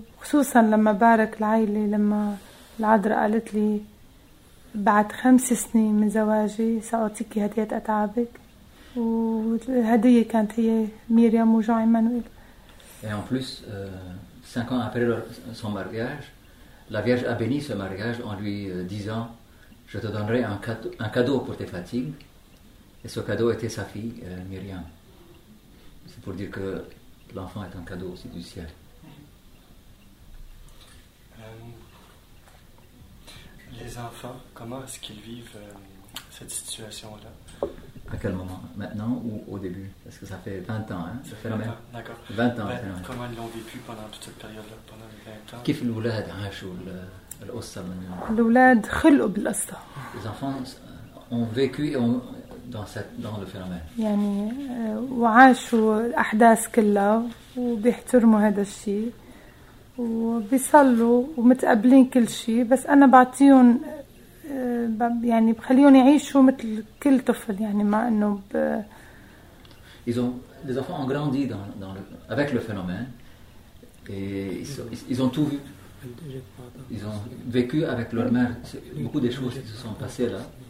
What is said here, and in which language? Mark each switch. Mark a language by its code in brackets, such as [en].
[ar] خصوصا لما بارك العائلة لما العذراء قالت لي بعد 5 سنين من زواجي سأعطيكي هدية أتعابك والهدية كانت هي مريم وجو إيمانويل [fr] et en plus 5 ans après son mariage la Vierge a béni ce mariage en lui disant je te donnerai un cadeau pour tes fatigues et ce cadeau était sa fille Myriam. C'est pour dire que l'enfant est un cadeau aussi du ciel. Les enfants, comment est-ce qu'ils vivent cette situation-là? À quel moment? Maintenant ou au début? Parce que ça fait 20 ans, hein? Ça fait 20 ans, d'accord. 20 ans, ben, comment ils l'ont vécu pendant toute cette période-là, pendant les 20 ans? Qu'est-ce que l'enfant a vécu? [ar] القصة من الأولاد خلقوا بالقصة. [fr] les enfants ont vécu dans le phénomène. [ar] يعني وعاشوا الأحداث كلها وبيحترموا هذا الشيء وبيصلوا ومتقبلين كل شيء بس أنا بعطيهم يعني بخليهم يعيشوا مثل كل طفل يعني ما إنه. [fr] les enfants ont grandi avec le phénomène et ils ont tout vu. Ils ont vécu avec leur mère beaucoup des choses qui se sont passées là.